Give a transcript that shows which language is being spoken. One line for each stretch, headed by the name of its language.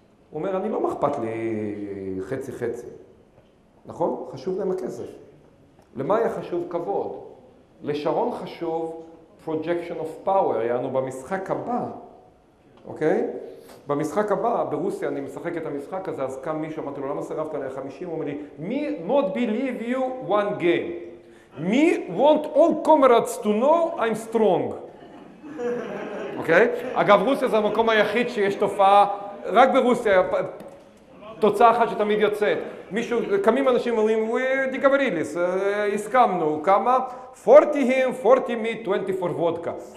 Hebrew: הוא אומר, אני לא מאכפת לי חצי-חצי. נכון? חשוב להם הכסף. למה היה חשוב כבוד? לשרון חשוב
English: projection of power,
Hebrew: יענו במשחק הבא. אוקיי? במשחק הבא, ברוסיה, אני משחק את המשחק הזה, אז קם מישהו, אמרתי לו, למה סרבת עליה 50? הוא אומר לי,
English: me not believe you one game. Me want all comrades to know I'm strong.
Hebrew: אוקיי? אגב, רוסיה זה המקום היחיד שיש תופעה, רק ברוסיה, תוצאה אחת שתמיד יוצאת. מישהו, קמים אנשים אומרים, דיקבריליס, הסכמנו, כמה?
English: 40 him, 40 me, 24 וודקה.